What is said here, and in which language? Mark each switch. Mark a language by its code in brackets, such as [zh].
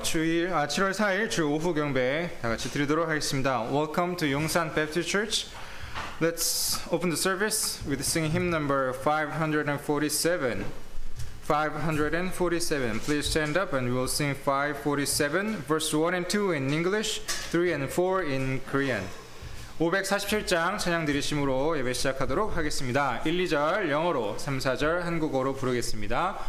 [ko] 7월 4일 주 오후 경배 다 같이 드리도록 하겠습니다. [en] Welcome to Yongsan Baptist Church. Let's open the service with singing hymn number 547. 547. Please stand up and we'll sing 547, verse 1 and 2 in English, 3 and 4 in Korean. [ko] 547장 찬양 드리심으로 예배 시작하도록 하겠습니다. 1, 2절 영어로, 3, 4절 한국어로 부르겠습니다.